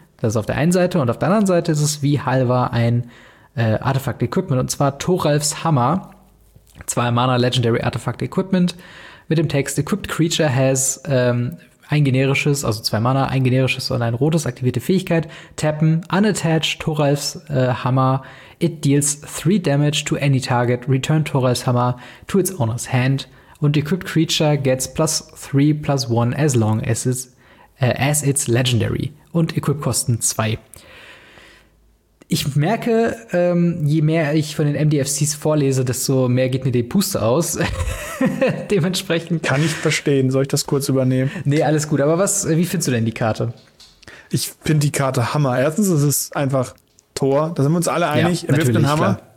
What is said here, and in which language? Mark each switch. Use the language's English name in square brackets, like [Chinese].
[German] Das ist auf der einen Seite und auf der anderen Seite ist es wie Halvar ein Artifact Equipment und zwar Thoralfs Hammer. 2 Mana Legendary Artifact Equipment mit dem Text [English] Equipped Creature has [German] ein generisches, also 2 Mana, ein generisches und ein rotes aktivierte Fähigkeit. Tappen, unattached Thoralfs Hammer. [English] It deals 3 damage to any target. Return Thoralfs Hammer to its owner's hand. [German] Und Equipped Creature gets +3/+1 [English] as long as it's legendary. [German] Und Equip Kosten 2. Ich merke, je mehr ich von den MDFCs vorlese, desto mehr geht mir die Puste aus. Dementsprechend. Kann ich verstehen. Soll ich das kurz übernehmen? Nee, alles gut. Aber was? Wie findest du denn die Karte? Ich finde die Karte Hammer. Erstens, es ist einfach Tor. Da sind wir uns alle einig. Ja, er wirft einen Hammer.